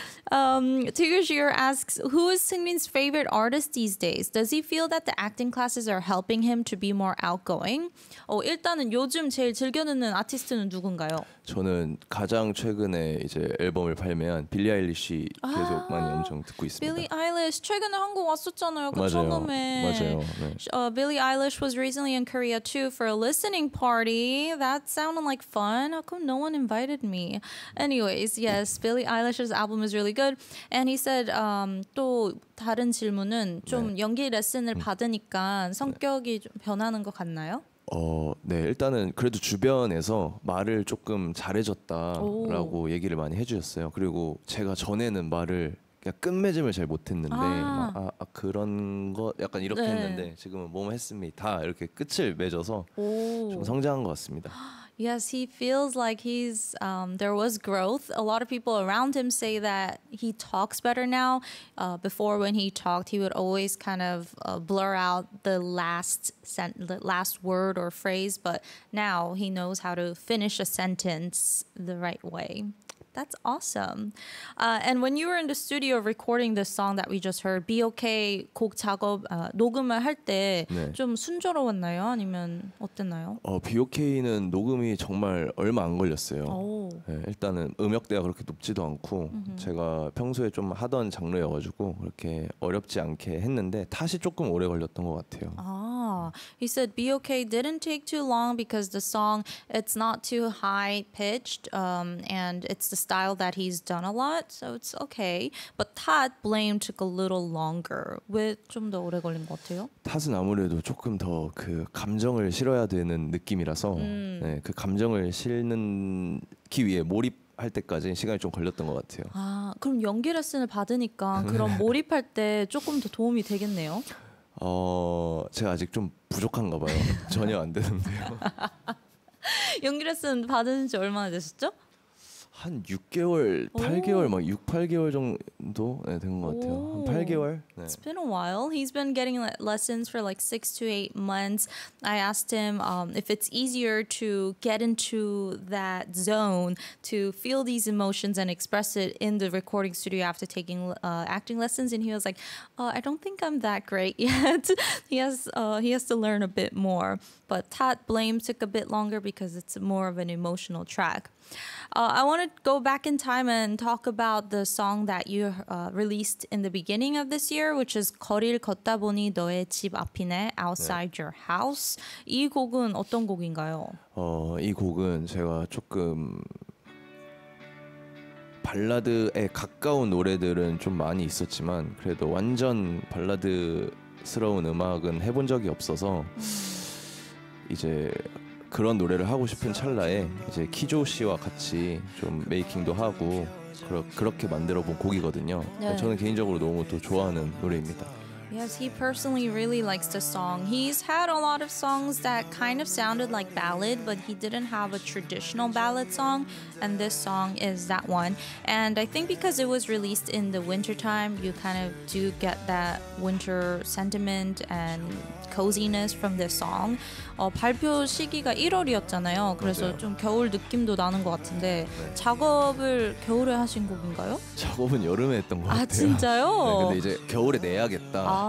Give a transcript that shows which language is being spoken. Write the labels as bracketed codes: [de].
[en] Tigger asks, who is Seungmin's favorite artist these days? Does he feel that the acting classes are helping him to be more outgoing? [ko] 일단은 요즘 제일 즐겨 듣는 아티스트는 누군가요? 저는 가장 최근에 이제 앨범을 발매한 빌리 아일리시 계속 많이 엄청 듣고 있습니다. Billie Eilish 최근에 한국 왔었잖아요. 그 맞아요. 처음에. 맞아요. [en] 네. Billie Eilish was recently in Korea too for a listening party. That sounded like fun. How come no one invited me? Anyways, yes, Billie Eilish's album is really good. And he said [ko] 또 다른 질문은 좀 네. 연기 레슨을 받으니까 성격이 네. 좀 변하는 것 같나요? 네 일단은 그래도 주변에서 말을 조금 잘해줬다라고 오. 얘기를 많이 해주셨어요. 그리고 제가 전에는 말을 그냥 끝맺음을 잘 못했는데 그런 거 약간 이렇게 네. 했는데 지금은 뭐 했습니다 이렇게 끝을 맺어서 오. 좀 성장한 것 같습니다. [en] Yes, he feels like he's there was growth. A lot of people around him say that he talks better now. Before when he talked, he would always kind of blur out the last last word or phrase, but now he knows how to finish a sentence the right way. That's awesome. And when you were in the studio recording this song that we just heard, Be Okay [ko] 곡 작업 녹음을 할 때 좀 네. 순조로웠나요? 아니면 어땠나요? Be Okay는 녹음이 정말 얼마 안 걸렸어요. 네, 일단은 음역대가 그렇게 높지도 않고 음흠. 제가 평소에 좀 하던 장르여가지고 그렇게 어렵지 않게 했는데 탓이 조금 오래 걸렸던 것 같아요. [en] He said Be Okay didn't take too long because the song it's not too high pitched and it's the style that he's done a lot, so it's okay. But Tat blame took a little longer. [ko] 왜 좀 더 오래 걸린 것 같아요? Tat은 아무래도 조금 더 그 감정을 실어야 되는 느낌이라서 네, 그 감정을 실는기 위해 몰입할 때까지 시간이 좀 걸렸던 것 같아요. 아, 그럼 연기 레슨을 받으니까 그런 몰입할 때 조금 더 도움이 되겠네요. 제가 아직 좀 부족한가 봐요. 전혀 안 되는데요. 연기 레슨 받은 지 얼마나 되셨죠? 한 6개월, 8개월, 막 6, 8개월 정도 네, 된 것 같아요. 한 8개월. 네. [en] It's been a while. He's been getting lessons for like 6 to 8 months. I asked him if it's easier to get into that zone to feel these emotions and express it in the recording studio after taking acting lessons. And he was like, I don't think I'm that great yet. he has to learn a bit more. But Tat Blame took a bit longer because it's more of an emotional track. I want to go back in time and talk about the song that you released in the beginning of this year, which is [ko] 거리를 걷다 보니 너의 집 앞이네, [en] Outside 네. Your House. [ko] 이 곡은 어떤 곡인가요? 이 곡은 제가 조금 발라드에 가까운 노래들은 좀 많이 있었지만 그래도 완전 발라드스러운 음악은 해본 적이 없어서 이제 그런 노래를 하고 싶은 찰나에 이제 키조 씨와 같이 좀 메이킹도 하고 그렇게 만들어본 곡이거든요. 네. 저는 개인적으로 너무 또 좋아하는 노래입니다. [en] Yes, he personally really likes the song. He's had a lot of songs that kind of sounded like ballad, but he didn't have a traditional ballad song, and this song is that one. And I think because it was released in the winter time, you kind of do get that winter sentiment and coziness from this song. [ko] 발표 시기가 1월이었잖아요. 그래서 맞아요. 좀 겨울 느낌도 나는 것 같은데 네. 작업을 겨울에 하신 곡인가요? 작업은 여름에 했던 것 같아요. 아 진짜요? 네, 근데 이제 겨울에 내야겠다.